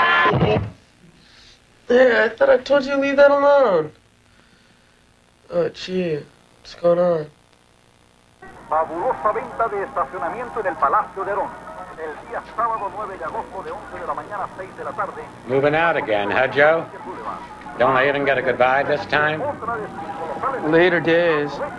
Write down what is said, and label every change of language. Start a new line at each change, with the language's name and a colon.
English: I thought I told you to leave that alone. Oh, gee. What's going on?
Spanish: Fabulosa venta de estacionamiento en el Palacio de Ron. El día sábado 9 de agosto de 11 de la mañana a 6 de la tarde.
English: Moving out again, huh, Joe? Don't I even get a goodbye this time? Later days.